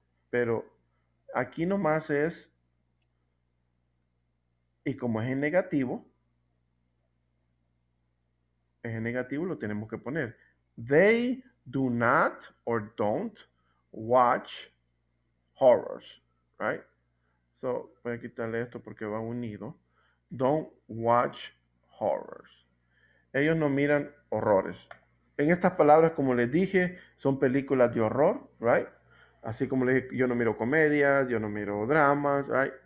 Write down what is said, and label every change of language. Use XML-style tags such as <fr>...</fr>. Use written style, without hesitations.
<es>Pero aquí nomás es, y como es en negativo lo tenemos que poner.</es> <en>They do not or don't watch horrors, right? So,</en> <es>voy a quitarle esto porque va unido.</es> <en>Don't watch horrors.</en> <es>Ellos no miran horrores. En estas palabras, como les dije, son películas de horror,</es> <en>right?</en> <es>Así como les dije, yo no miro comedias, yo no miro dramas,</es> <en>right?</en>